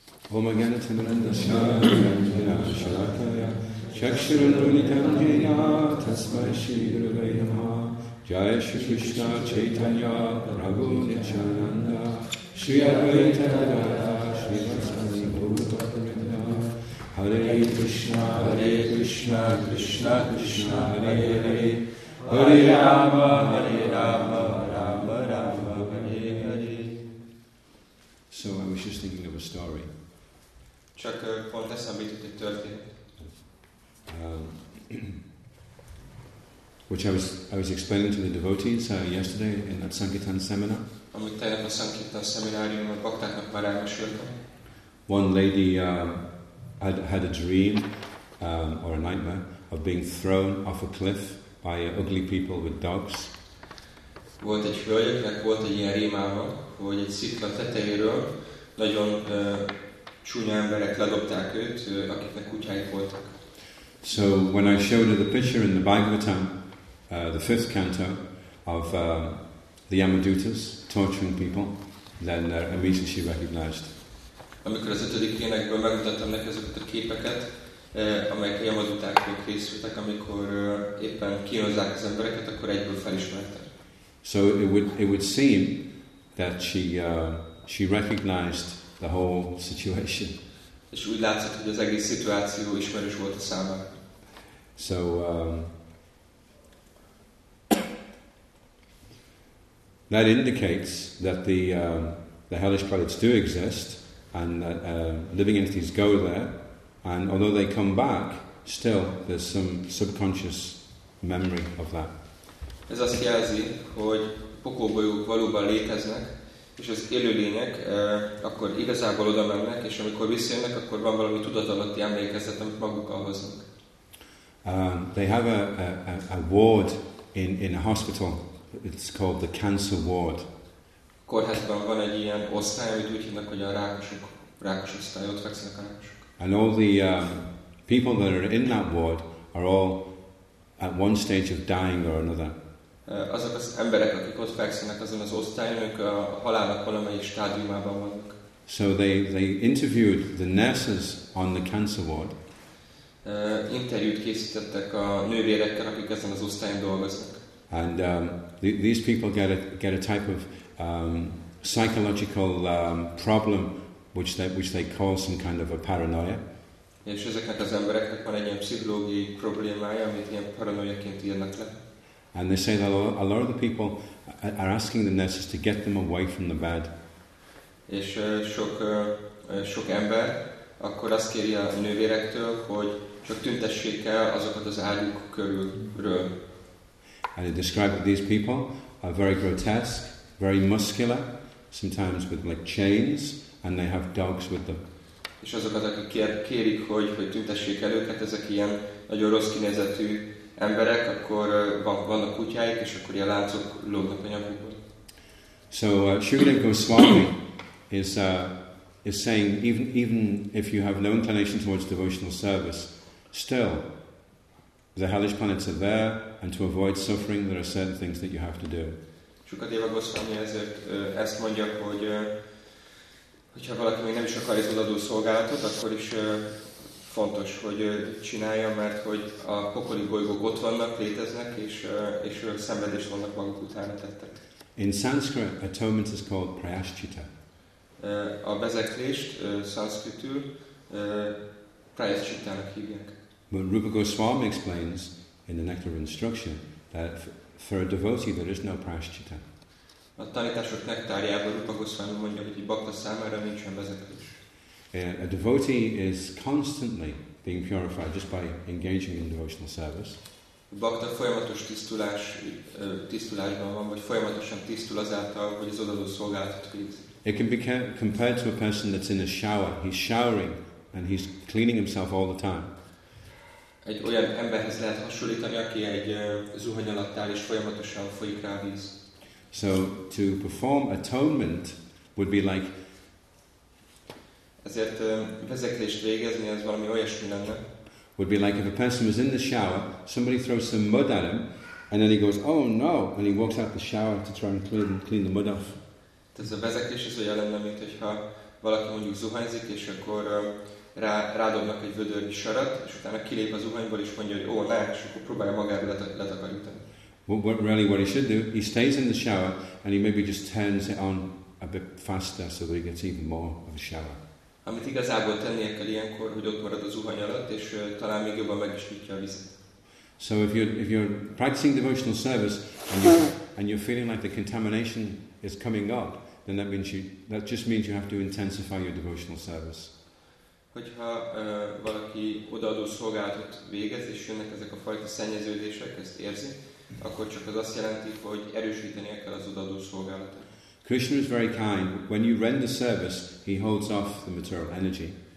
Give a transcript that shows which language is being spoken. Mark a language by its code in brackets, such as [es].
[sa] Om Agnate Narendra Shalakaya Chakshuran Unitam Jena Tasmai Shri Gurave Namaha Jaya Shri Krishna Chaitanya Prabhu Nityananda Shri Advaita Gadadhara Shri Vasani Bhuta Vrinda Hare Krishna Hare Krishna Krishna Krishna Hare Hare Hare Rama Hare Rama Rama Rama Hare Hare. [en] So I was just thinking of a story. [hu] Csak pont eszembe jutott egy történet. [en] Which I was explaining to the devotees yesterday in that Sankirtan seminar. [hu] Amit tegnap a Sankirtan szemináriumban baktáknak már elmeséltem. [en] One lady had a dream or a nightmare of being thrown off a cliff by ugly people with dogs. [hu] Volt egy hölgyeknek volt egy ilyen rémálma, hogy egy szikla tetejéről nagyon csúnya emberek ledobták őt, akiknek kutyáik voltak. [en] So when I showed her the picture in the Bhagavatam, the fifth canto, of the Yamadutas torturing people, then immediately she recognized. [hu] Amikor az ötödik énekből megmutattam neki azokat a képeket, amelyek a Yamadutákról készültek, amikor éppen kínozzák az embereket, akkor egyből felismerte. [en] So it would seem that she recognized the whole situation. [hu] És úgy látszott, hogy az egész szituáció ismerős volt a számára. [en] So that indicates that the hellish planets do exist, and that living entities go there, and although they come back, still there's some subconscious memory of that. [hu] Ez azt jelzi, hogy pokolgolyók valóban léteznek, és az élőlények akkor igazából oda mennek, és amikor visszajönnek, akkor van valami tudatalatti emlékezet, amit magukkal hoznak. [en] They have a ward in a hospital. It's called the cancer ward. [hu] Kórházban van egy ilyen osztály, amit úgy hívnak, hogy a rákos osztály, ott fekszenek a rákosok. [en] And all the people that are in that ward are all at one stage of dying or another. [hu] Azok az emberek, akik ott fekszenek azon az osztályon, ők a halálnak valamelyik stádiumában vannak. [en] So they interviewed the nurses on the cancer ward. [hu] Interjút készítettek a nővérekkel, akik ezen az osztályon dolgoznak. [en] And these people get a type of psychological problem which they call some kind of a paranoia. [hu] És ezeknek az embereknek van egy ilyen pszichológiai problémája, amit ilyen paranoiaként írnak le. [en] And they say that a lot of the people are asking the nurses to get them away from the bed. [hu] És sok ember akkor azt kéri a nővérektől, hogy csak tüntessék el azokat az ágyuk körülről. [en] And they describe that these people are very grotesque, very muscular, sometimes with like chains, and they have dogs with them. [hu] És azokat, akik kérik, hogy tüntessék el őket, ezek ilyen nagyon rossz kinézetű emberek, akkor vannak kutyáik, és akkor ilyen láncok lógnak a nyakukban. [en] So Shukadeva Goswami is saying, even if you have no inclination towards devotional service, still, the hellish planets are there, and to avoid suffering, there are certain things that you have to do. [hu] Sukadeva Goswami ezért ezt mondja, hogy hogyha valaki még nem is akar az odaadó szolgálatot, akkor is fontos, hogy csinálja, mert hogy a pokoli bolygók ott vannak, léteznek, és szenvedést vannak maguk utána tettek. [en] In Sanskrit, atonement is called prayaschitta. [hu] A vezeklést szanszkritül prayaschittának hívják. [en] But Rupa Goswami explains in the Nectar of Instruction that for a devotee there is no prayaschitta. [hu] A tanítások nektárjában Rupa Goswami mondja, hogy egy bhakta számára nincsen vezetés. [en] A devotee is constantly being purified just by engaging in devotional service. [hu] A bhakta folyamatos tisztulásban van, vagy folyamatosan tisztul azáltal, hogy az odaadó szolgálatot végzi. [en] It can be compared to a person that's in a shower. He's showering and he's cleaning himself all the time. [hu] Egy olyan emberhez lehet hasonlítani, aki egy zuhany alatt áll és folyamatosan folyik rá víz. [en] So to perform atonement would be like. [hu] Ezért vezeklést végezni az valami olyasmi lenne. [en] Would be like if a person was in the shower, somebody throws some mud at him, and then he goes, "Oh no!" and he walks out the shower to try and clean the mud off. [hu] Ez a vezeklés az olyan lenne, mint hogyha valaki mondjuk zuhanyzik és akkor rádobnak egy vödörnyi sarat, és utána kilép a zuhanyból és mondja, hogy ó, ne, és akkor próbálja magára letakarítani. [en] What he should do, he stays in the shower and he maybe just turns it on a bit faster so that he gets even more of a shower. [hu] Amit igazából tennie kell ilyenkor, hogy ott marad a zuhany alatt, és talán még jobban meg is nyitja a vizet. [en] So if you're practicing devotional service and you're feeling like the contamination is coming up, then that just means you have to intensify your devotional service. [hu] Hogyha valaki odaadó szolgálatot végez, és jönnek ezek a fajta szennyeződések, ezt érzi, akkor csak az azt jelenti, hogy erősíteni kell az odaadó szolgálatot. [en] Krishna is very kind. When you render service, he holds off the material energy.